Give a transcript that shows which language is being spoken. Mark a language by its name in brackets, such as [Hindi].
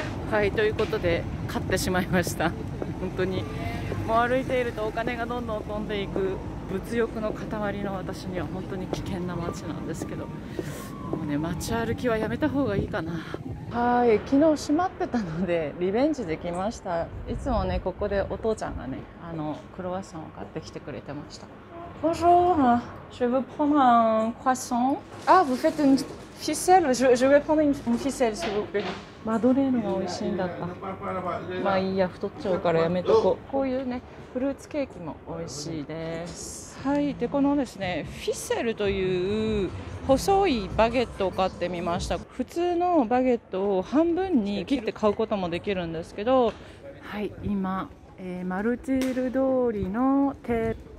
[Japanese] はい、ということで買ってしまいました。本当にもう歩いているとお金がどんどん飛んでいく、物欲の塊の私には本当に危険な街なんですけど、もうね、街歩きはやめた方がいいかな。はい、昨日閉まってたのでリベンジできました。いつもね、ここでお父ちゃんがね、あのクロワッサンを買ってきてくれてました。 [French] Bonjour, je veux prendre un croissant. Ah, vous faites une ficelle? Je vais prendre une ficelle, s'il vous plaît. [Japanese] マドレーヌが美味しいんだった。まあいいや、太っちゃうからやめとこう。こういうね、フルーツケーキも美味しいです。はい、でこのですね、フィセルという細いバゲットを買ってみました。普通のバゲットを半分に切って買うこともできるんですけど、はい、今、マルティール通りのテープ。